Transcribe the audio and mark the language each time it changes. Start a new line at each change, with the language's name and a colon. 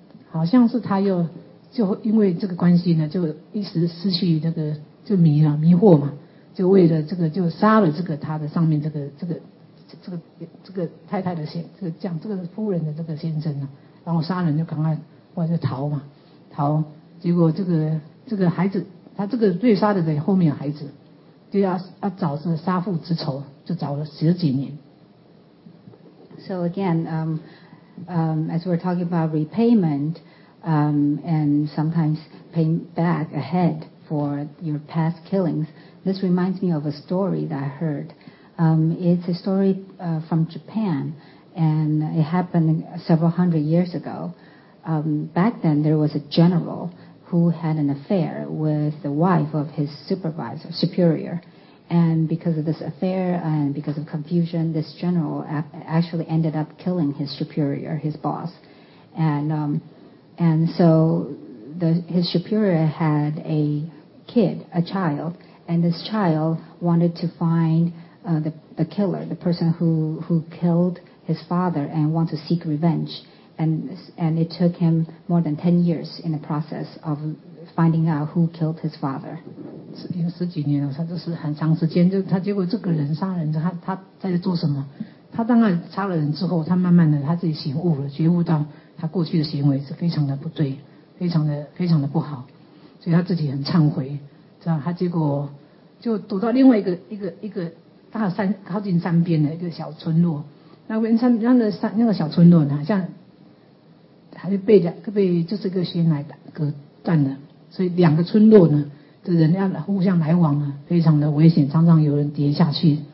Chinese: 好像是他又就因为这个关系呢，就一时失去那个就迷了迷惑嘛，就为了这个就杀了这个他的上面这个太太的先这个将这个夫人的这个先生呢，然后杀人就赶快或者逃，结果这个孩子他这个被杀的人后面有孩子，就要找这个杀父之仇，就找了十几年。
English: So again, as we're talking about repayment, and sometimes paying back ahead for your past killings, this reminds me of a story that I heard. It's a story from Japan, and it happened several hundred years ago. Back then, there was a general who had an affair with the wife of his superior. And because of this affair and because of confusion, this general actually ended up killing his superior, his boss. And so his superior had a kid, a child, and this child wanted to find the killer, the person who killed his father, and want to seek revenge. And it took him more than 10 years in the process of finding out who killed his father.
Chinese: 有十几年了，他就是很长时间，就他结果这个人杀人，他在做什么？他当然杀了人之后，他慢慢的他自己醒悟了，觉悟到他过去的行为是非常的不对，非常的不好，所以他自己很忏悔，知道他结果就躲到另外一个大山靠近山边的一个小村落，那边山那个山那个小村落呢，像还是被就是一个悬崖隔断的，所以两个村落呢的人要互相来往呢，非常的危险，常常有人跌下去。